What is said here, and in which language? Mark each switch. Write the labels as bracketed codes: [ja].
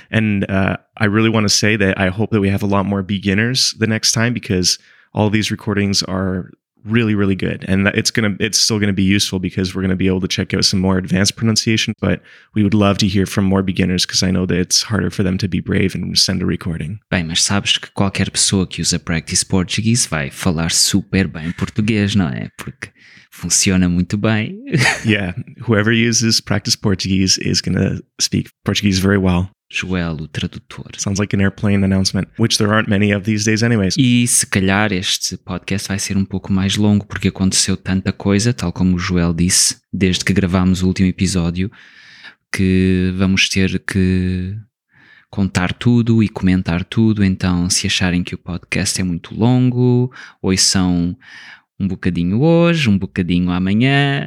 [en] And I really want to say that I hope that we have a lot more beginners the next time, because all of these recordings are really, really good. And it's still going to be useful, because we're going to be able to check out some more advanced pronunciation. But we would love to hear from more beginners, because I know that it's harder for them to be brave and send a recording. [pt] Bem, mas sabes que qualquer pessoa que usa Practice Portuguese vai falar super bem português, não é? Porque funciona muito bem. [en] Yeah, whoever uses Practice Portuguese is going to speak Portuguese very well. [pt] Joel, o tradutor. [en] Sounds like an airplane announcement, which there aren't many of these days anyways. [pt] E se calhar este podcast vai ser um pouco mais longo, porque aconteceu tanta coisa, tal como o Joel disse, desde que gravámos o último episódio, que vamos ter que contar tudo e comentar tudo. Então, se acharem que o podcast é muito longo, ouçam um bocadinho hoje, um bocadinho amanhã.